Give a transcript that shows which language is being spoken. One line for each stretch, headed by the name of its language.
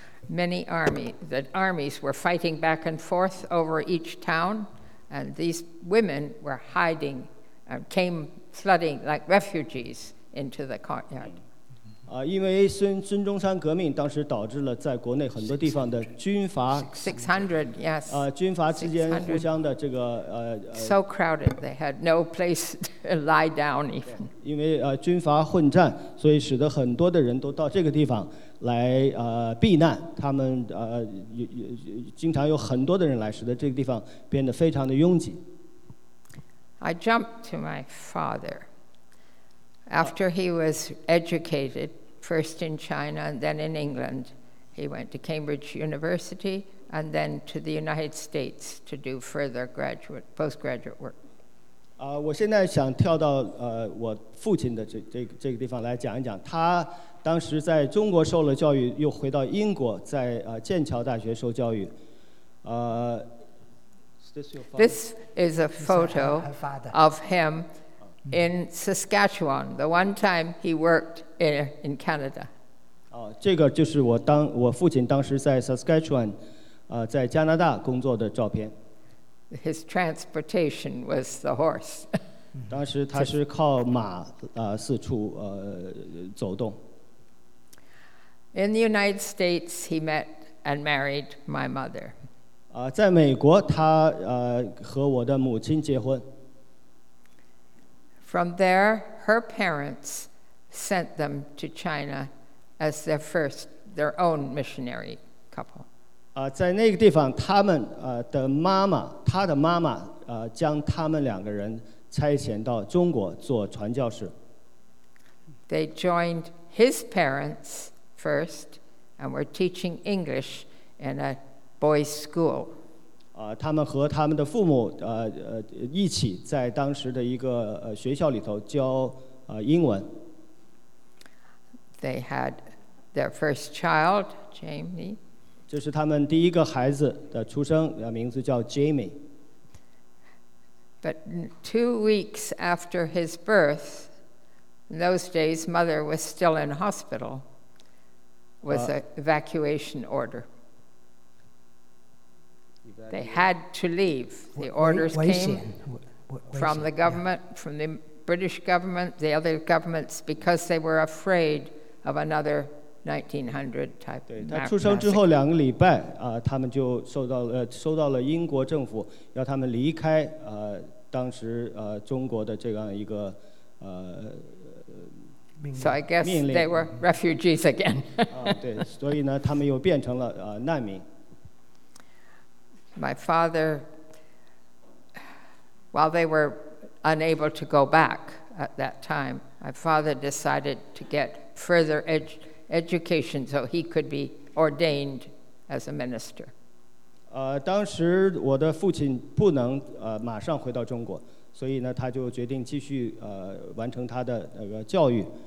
English: Many armies were fighting back and forth over each town, and these women were hiding, came flooding like refugees into the courtyard.
Chinese: 因为孙中山革命当时导致了在国内很多地方的军阀
English: 600, yes.
Chinese: 军阀之间互相的这个
English: So crowded, they had no place to lie down even.
Chinese: 因为军阀混战，所以使得很多的人都到这个地方来避难，他们经常有很多的人来，使得这个地方变得非常的拥挤。
English: I jumped to my father after he was educated first in China and then in England. He went to Cambridge University and then to the United States to do further postgraduate work.
Chinese: 我现在想跳到我父亲的这个地方来讲一讲他。当时在中国受了教育，又回到英国，在剑桥大学受教育。
English: This is a photo of him in Saskatchewan, the one time he worked in Canada.
Chinese: 这个就是我父亲当时在 Saskatchewan, 在加拿大工作的照片。
English: His transportation was the horse.
Chinese: 当时他是靠马四处走动。
English: In the United States, he met and married my mother.
Chinese: 在美国，他和我的母亲结婚。
English: From there, her parents sent them to China as their first, their own missionary couple.
Chinese: 在那个地方，他们的妈妈，他的妈妈将他们两个人差遣到中国做传教士。
English: They joined his parents first and were teaching English in a boys' school.
Chinese: 他们和他们的父母一起在当时的一个学校里头教英文。
English: They had their first child, Jamie.
Chinese: 这是他们第一个孩子的出生，名字叫 Jamie。
English: But 2 weeks after his birth, in those days, mother was still in hospital with an evacuation order. They had to leave. The orders came from the government, from the British government, the other governments, because they were afraid of another 1900 type massacre.
Chinese: 他出生之后两个礼拜，他们就收到了英国政府要他们离开当时中国的这样一个
English: So I guess they were refugees again.
Chinese: 对，所以呢，他们又变成了难民。
English: My father, while they were unable to go back at that time, my father decided to get further education so he could be ordained as a minister.
Chinese: 当时我的父亲不能马上回到中国，所以呢，他就决定继续完成他的那个教育。